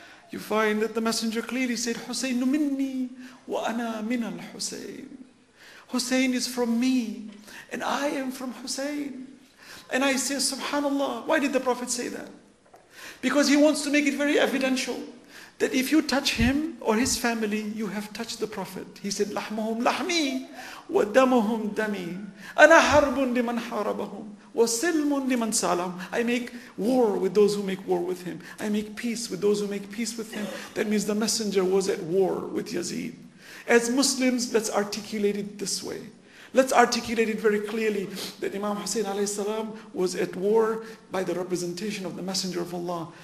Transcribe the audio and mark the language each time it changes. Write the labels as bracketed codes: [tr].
[en] You find that the messenger clearly said, [ar] Hussein minni wa ana min al Hussein. [en] Hussein is from me, and I am from Hussein. And I say, SubhanAllah, why did the Prophet say that? Because he wants to make it very evidential that if you touch him or his family, you have touched the Prophet. He said, [ar] لَحْمُهُمْ لَحْمِي وَدَمُهُمْ دَمِي أَنَا حَرْبٌ لِمَنْ حَرَبَهُمْ وَسِلْمٌ لِمَنْ سَلَمْ. [en] I make war with those who make war with him. I make peace with those who make peace with him. That means the messenger was at war with Yazid. As Muslims, let's articulate it this way. Let's articulate it very clearly that Imam Hussein alayhi salam was at war by the representation of the Messenger of Allah.